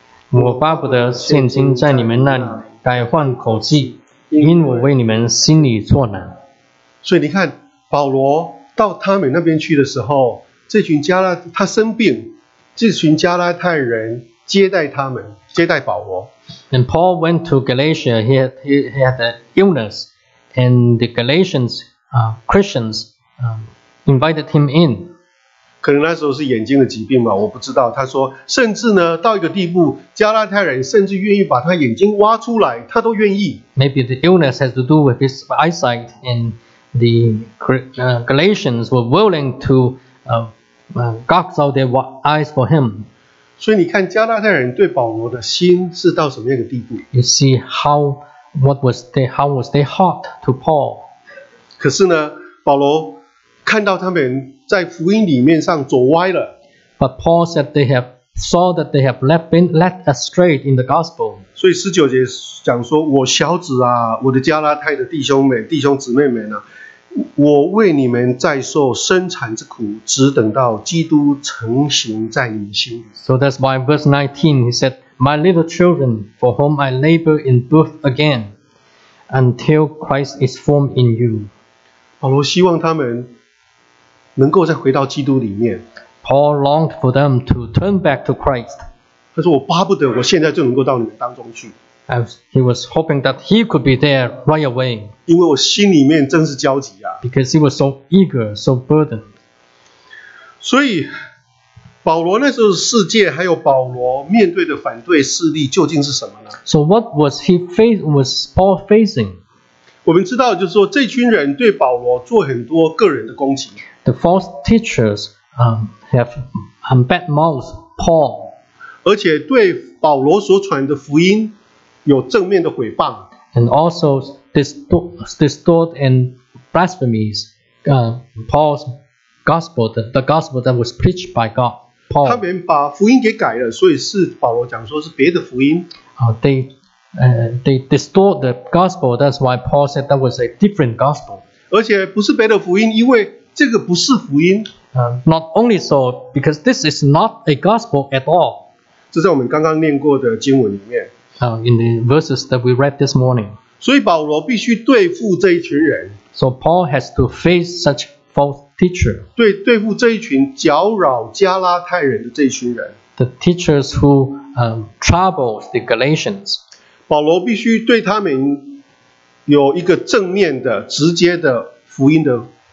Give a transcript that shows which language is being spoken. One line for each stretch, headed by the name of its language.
Chinese: 我巴不得现今在你们那里改换口气，因我为你们心里作难。所以你看，保罗到他们那边去的时候，这群加拉他生病，这群加拉太人接待他们，接待保罗。
English: And Paul went to Galatia. He had an illness, and the Galatians Christians invited him in.
Chinese: 可能那时候是眼睛的疾病吧，我不知道。他说，甚至呢，到一个地步，加拉太人甚至愿意把他眼睛挖出来，他都愿意。
English: Maybe the illness has to do with his eyesight, and the Galatians were willing to gouge out their eyes for him.
Chinese: 所以你看，加拉太人对保罗的心是到什么样的地步
English: ？You see how was their heart to Paul?
Chinese: 可是呢，保罗。看到他们在福音里面上走歪了。
English: But Paul said they have saw that they have been led astray in the gospel.
Chinese: 所以十九节讲说，我小子啊，我的加拉太的弟兄们、弟兄姊妹们啊，我为你们在受生产之苦，只等到基督成形在你心。
English: So that's why verse 19 he said, my little children, for whom I labor in birth again, until Christ is formed in you.
Chinese: 保罗希望他们。能够再回到基督里面。
English: Paul longed for them to turn back to Christ.
Chinese: 他说：“我巴不得我现在就能够到你们当中去。”
English: He was hoping that he could be there right away.
Chinese: 因为我心里面真是焦急啊。
English: Because he was so eager, so burdened.
Chinese: 所以保罗那时候世界还有保罗面对的反对势力究竟是什么呢
English: ？So what was he face? Was Paul facing?
Chinese: 我们知道，就是说这群人对保罗做很多个人的攻击。
English: The false teachers have bad mouth Paul.
Chinese: 而且对保罗所传的福音有正面的毁谤。
English: And also distort and blasphemies Paul's gospel, the gospel that was preached by God, Paul.
Chinese: 他们把福音给改了，所以是保罗讲说是别的福音。
English: They distort the gospel. That's why Paul said that was a different gospel.
Chinese: 而且不是别的福音，因为这个不是福音。
English: Not only so, because this is not a gospel at all.
Chinese: 这在我们刚刚念过的经文里面。
English: In the verses that we read this morning.
Chinese: 所以保罗必须对付这一群人。
English: So Paul has to face such false teacher.
Chinese: 对付这一群搅扰加拉太人的这一群人。
English: The teachers who troubles the Galatians.
Chinese: 保罗必须对他们有一个正面的、直接的福音的。